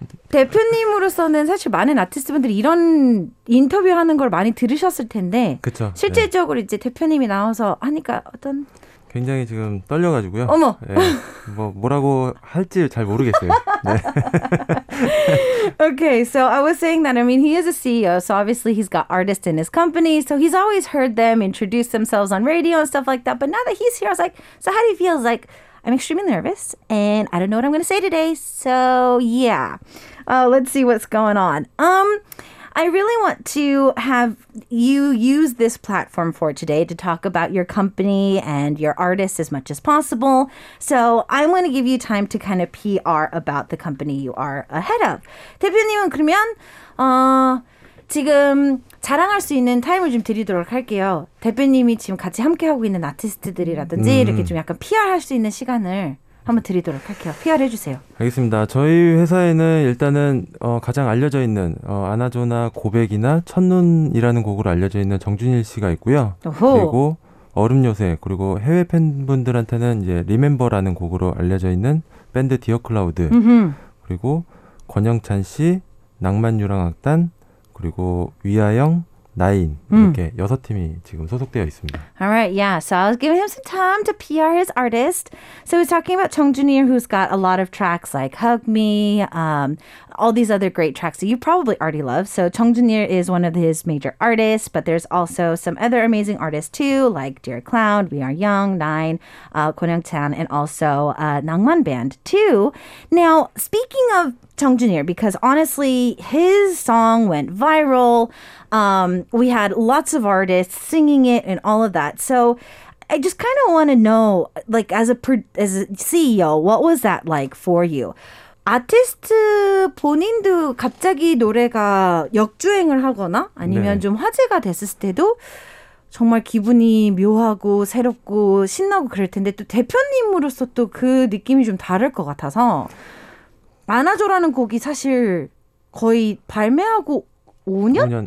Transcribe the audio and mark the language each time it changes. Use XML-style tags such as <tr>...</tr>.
<ko>대표님으로서는 사실 많은 아티스트분들이 이런 인터뷰하는 걸 많이 들으셨을 텐데, 그쵸, 실제적으로 네. 이제 대표님이 나와서 하니까 어떤... 굉장히 지금 떨려가지고요. 어머! 네, 뭐라고 할지 잘 모르겠어요. 네.</ko> <en>Okay, so I was saying that, I mean, he is a CEO, so obviously he's got artists in his company, so he's always heard them introduce themselves on radio and stuff like that, but now that he's here, I was like, so how do you feel? Like, I'm extremely nervous, and I don't know what I'm going to say today, so yeah. Let's see what's going on. I really want to have you use this platform for today to talk about your company and your artists as much as possible. So I want to give you time to kind of PR about the company you are ahead of.</en> <ko>대표님은 그러면 지금 자랑할 수 있는 타임을 좀 드리도록 할게요. 대표님이 지금 같이 함께하고 있는 아티스트들이라든지 이렇게 좀 약간 PR할 수 있는 시간을 한번 드리도록 할게요. PR 해주세요. 알겠습니다. 저희 회사에는 일단은 가장 알려져 있는 아나조나 고백이나 첫눈이라는 곡으로 알려져 있는 정준일 씨가 있고요. 어후. 그리고 얼음 요새, 그리고 해외 팬분들한테는 이제 리멤버라는 곡으로 알려져 있는 밴드 디어클라우드, 그리고 권영찬 씨, 낭만유랑악단, 그리고 위아영, 나인, 이렇게 여섯 팀이 지금 소속되어 있습니다.</ko> <en>All right, yeah. So I was giving him some time to PR his artist. So he's talking about Chung Junir, who's got a lot of tracks like Hug Me, all these other great tracks that you probably already love. So Chung Junir is one of his major artists, but there's also some other amazing artists too, like Dear Cloud, We Are Young, Nine, Kwon Young Chan, and also Nangman Band too. Now, speaking of Chung Junir, because honestly, his song went viral. We had lots of artists singing it and all of that. So I just kind of want to know, like, as a CEO, what was that like for you?</en> <ko>아티스트 본인도 갑자기 노래가 역주행을 하거나 아니면 네. 좀 화제가 됐을 때도 정말 기분이 묘하고 새롭고 신나고 그럴 텐데 또 대표님으로서 또 그 느낌이 좀 다를 것 같아서 아나조라는 곡이 사실 거의 발매하고 5년?</ko>